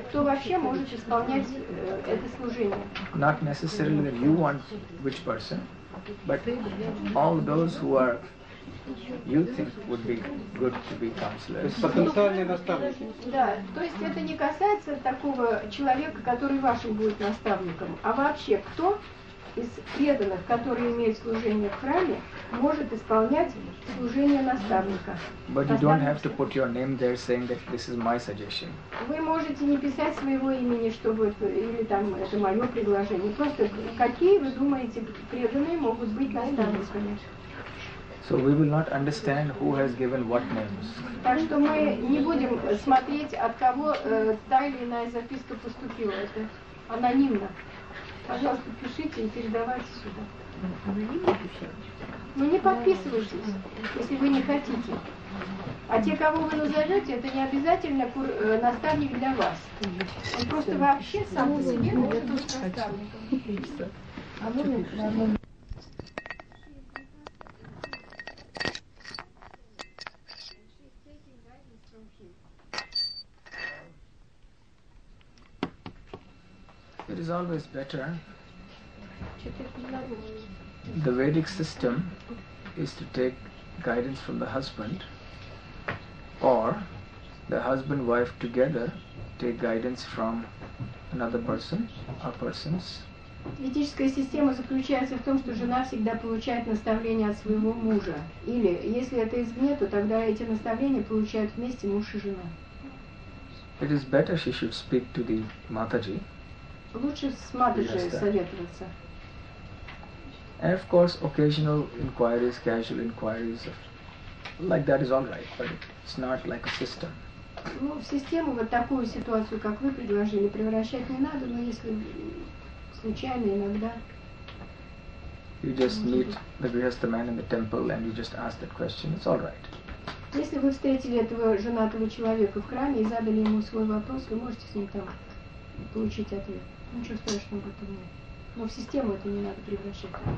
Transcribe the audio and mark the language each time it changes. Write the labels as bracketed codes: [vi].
[ru] Кто вообще может исполнять это служение? [en] Not necessarily that you want which person. But all those who are, you think, would be good to be counselors. [ru] Потенциальные наставники. Да, то есть это не касается такого человека, который вашим будет наставником, а вообще кто из преданных, которые имеют служение в храме, может исполнять служение наставника. [en] But you don't have to put your name there saying that this is my suggestion. [ru] Вы можете не писать своего имени, чтобы или там это мое предложение. Просто какие вы думаете преданные могут быть наставниками? [en] So we will not understand who has given what names. [ru] Так что мы не будем смотреть, от кого та или иная записка поступила. Это анонимно. Пожалуйста, пишите и передавайте сюда. Ну не подписывайтесь, если вы не хотите. А те, кого вы назовете, это не обязательно наставник для вас. Он просто вообще сам по себе может быть наставником. [en] It is always better. The Vedic system is to take guidance from the husband, or the husband-wife together take guidance from another person or persons. [ru] Ведическая система заключается в том, что жена всегда получает наставления от своего мужа. Или, если это извне, то тогда эти наставления получают вместе муж и жена. [en] It is better she should speak to the Mataji. [ru] Лучше с Матаджи советоваться. [en] And of course, occasional inquiries, casual inquiries, like that is all right, but it's not like a system. [ru] Ну, в систему вот такую ситуацию, как вы предложили, превращать не надо, но если случайно, иногда. [en] You just meet the grihastha man in the temple and you just ask that question, it's all right. [ru] Если вы встретили этого женатого человека в храме и задали ему свой вопрос, вы можете с ним там получить ответ. Ничего страшного в этом нет. Но в систему это не надо превращать.